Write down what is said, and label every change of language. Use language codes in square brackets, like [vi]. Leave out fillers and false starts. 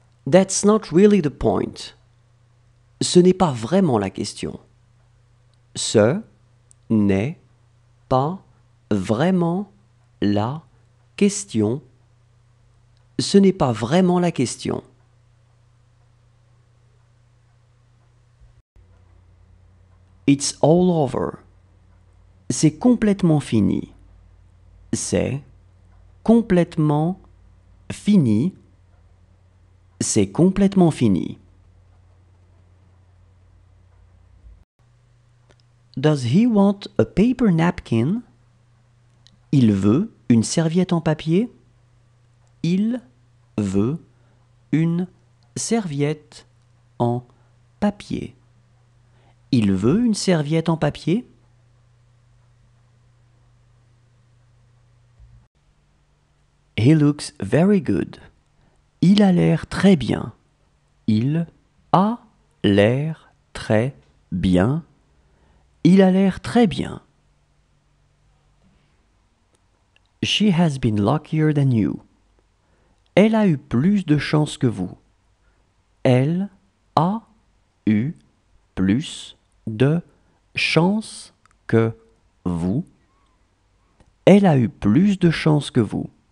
[en] That's not really the point. [fr] Ce n'est pas vraiment la question. Ce n'est pas vraiment la question. Ce n'est pas vraiment la question. [en] It's all over. [fr] C'est complètement fini. C'est complètement fini. C'est complètement fini. [en] Does he want a paper napkin? [fr] Il veut une serviette en papier? Il veut une serviette en papier. Il veut une serviette en papier? [en] He looks very good. [fr] Il a l'air très bien. Il a l'air très bien. Il a l'air très bien. [en] She has been luckier than you. [fr] Elle a eu plus de chance que vous. Elle a eu plus de chance que vous. Elle a eu plus de chance que vous.